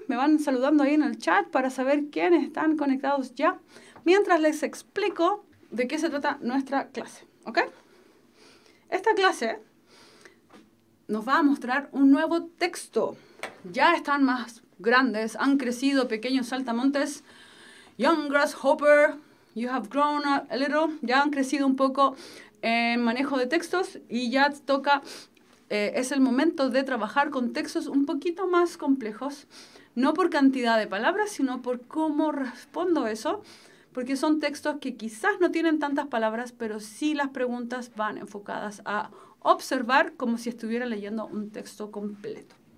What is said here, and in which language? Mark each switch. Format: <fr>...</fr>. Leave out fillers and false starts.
<es>Me van saludando ahí en el chat para saber quiénes están conectados ya. Mientras les explico de qué se trata nuestra clase, ¿ok? Esta clase nos va a mostrar un nuevo texto. Ya están más grandes, han crecido pequeños saltamontes.</es> <en>Young grasshopper, you have grown a little.</en> <es>Ya han crecido un poco en manejo de textos y ya toca... es el momento de trabajar con textos un poquito más complejos, no por cantidad de palabras, sino por cómo respondo eso, porque son textos que quizás no tienen tantas palabras, pero sí las preguntas van enfocadas a observar como si estuviera leyendo un texto completo.</es>